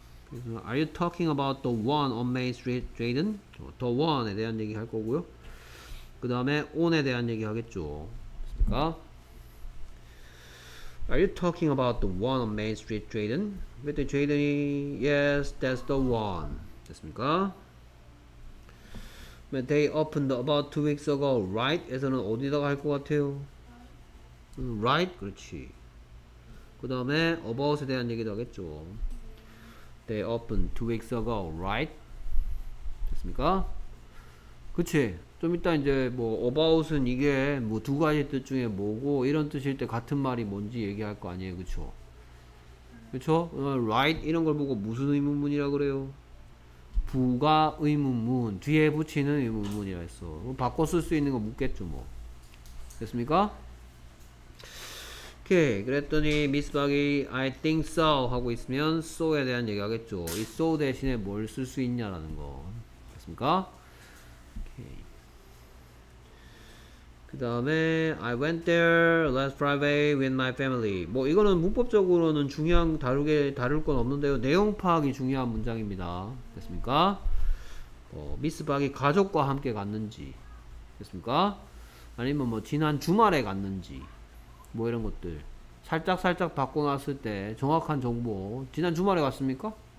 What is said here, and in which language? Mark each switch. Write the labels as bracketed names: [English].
[English] Are you talking about the one on Main Street, Jaden? [Korean] The one에 대한 얘기 할 거고요. 그 다음에 on에 대한 얘기 하겠죠. 됐습니까? [English] Are you talking about the one on Main Street, Jaden? [Korean] 그때 [English] Jaden이 Yes, that's the one. [Korean] 됐습니까? [English] They opened about 2 weeks ago, right? [Korean] 에서는 어디다가 할 것 같아요? Right? 그렇지. 그 다음에 about에 대한 얘기도 하겠죠. [English] They opened 2 weeks ago, right? [Korean] 됐습니까? 그렇지. 좀 이따 이제 뭐 about은 이게 뭐 두 가지 뜻 중에 뭐고 이런 뜻일 때 같은 말이 뭔지 얘기할 거 아니에요. 그렇죠? 그렇죠? Right 이런 걸 보고 무슨 의문문이라 그래요? 부가 의문문 뒤에 붙이는 의문문이라 했어. 바꿔 쓸 수 있는 거 묻겠죠 뭐. 됐습니까? 오케이. 그랬더니 미스 박이 [English] I think so [Korean] 하고 있으면 so에 대한 얘기 하겠죠. 이 so 대신에 뭘 쓸 수 있냐라는 거. 됐습니까? 오케이. [English] 그 다음에 I went there last Friday with my family. [Korean] 뭐 이거는 문법적으로는 중요한 다룰 건 없는데요. 내용 파악이 중요한 문장입니다. 됐습니까? 미스 박이 가족과 함께 갔는지 됐습니까? 아니면 뭐 지난 주말에 갔는지 뭐 이런 것들 살짝 바꿔놨을 때 정확한 정보 지난 주말에 갔습니까?